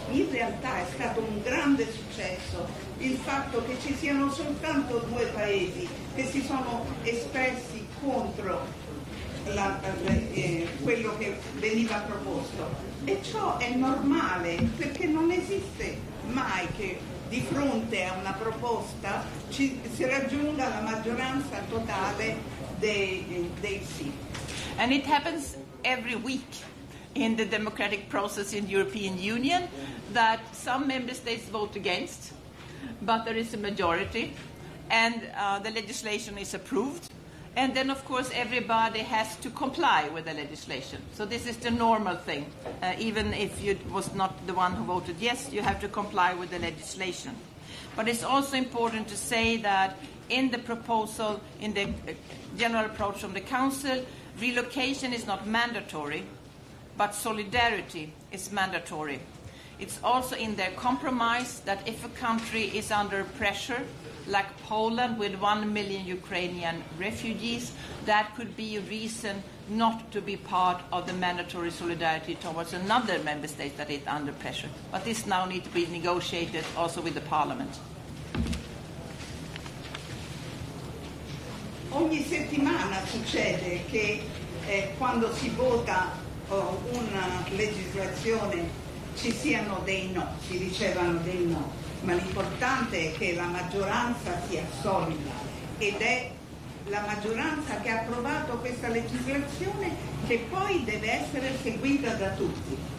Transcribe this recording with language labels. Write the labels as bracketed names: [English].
[Italian] In realtà è stato un grande successo il fatto che ci siano soltanto due paesi che si sono espressi contro quello che veniva proposto, e ciò è normale perché non esiste mai che di fronte a una proposta si raggiunga la maggioranza totale dei sì. [English] And it happens every week in the democratic process in the European Union that some member states vote against, but there is a majority and the legislation is approved. And then, of course, everybody has to comply with the legislation. So this is the normal thing. Even if you was not the one who voted yes, you have to comply with the legislation. But it's also important to say that in the proposal, in the general approach from the Council, relocation is not mandatory, but solidarity is mandatory. It's also in their compromise that if a country is under pressure, like Poland with 1 million Ukrainian refugees, that could be a reason not to be part of the mandatory solidarity towards another member state that is under pressure. But this now needs to be negotiated also with the Parliament. [Italian] Ogni settimana succede che quando si vota una legislazione ci siano dei no, si ricevano dei no. Ma l'importante è che la maggioranza sia solida ed è la maggioranza che ha approvato questa legislazione che poi deve essere seguita da tutti.